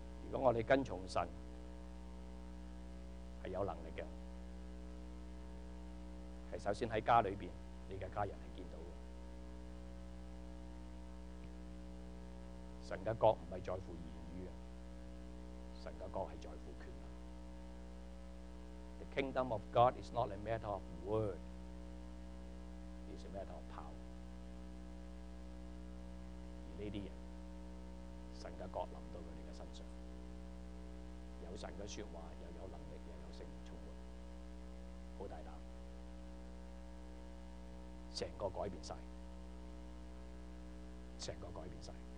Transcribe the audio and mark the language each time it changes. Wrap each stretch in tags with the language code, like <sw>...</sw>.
<zh>如果我们跟从神是有能力的，是首先在家里面你的家人是见到的。神的国不是在乎言语，神的国是在乎权柄。</zh> <en>The kingdom of God is not a matter of word, it's a matter of power。</en> <zh>而这些人神的国临到他们的身上，有神的说话，又有能力，又有圣灵充满，好大胆，整个改变了，整个改变了。</zh>